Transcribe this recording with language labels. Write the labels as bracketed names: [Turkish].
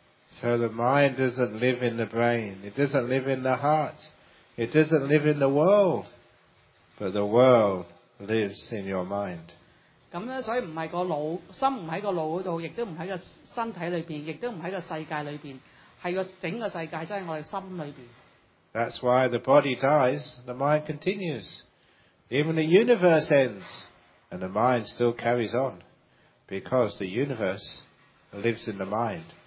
[English] So the mind doesn't live in the brain, it doesn't live in the heart, it doesn't live in the world, but the world lives in your mind. [Cantonese] 所以不是心不在腦，亦都不在世界裏面，是整個世界在我們心裏面。 [English] That's why the body dies, the mind continues. Even the universe ends, and the mind still carries on, because the universe lives in the mind.